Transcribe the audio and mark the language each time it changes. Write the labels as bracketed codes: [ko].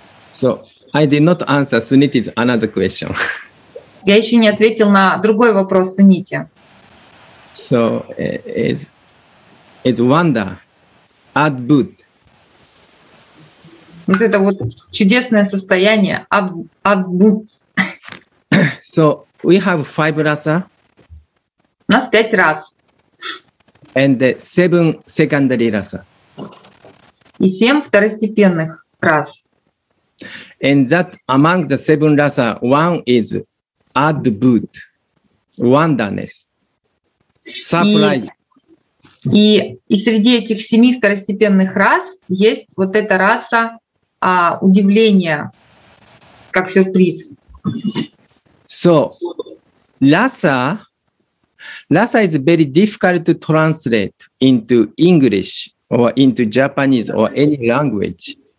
[en] So, I did not answer Suniti's another question. [ru] Я еще не ответил на другой вопрос Сунити. [en] So, it's wonder, Adbhut. [ru] Вот это вот чудесное состояние, Adbhut. [en] So, we have five rasa. [ru] У нас пять раз. [en] And seven secondary rasa. [ru] И семь второстепенных раз. [en] And that among the seven rasa, one is Adbhut, wonderness, surprise. [ru] И среди этих семи второстепенных рас есть вот эта раса удивления, как сюрприз. [en] So, rasa is very difficult to translate into English or into Japanese or any language.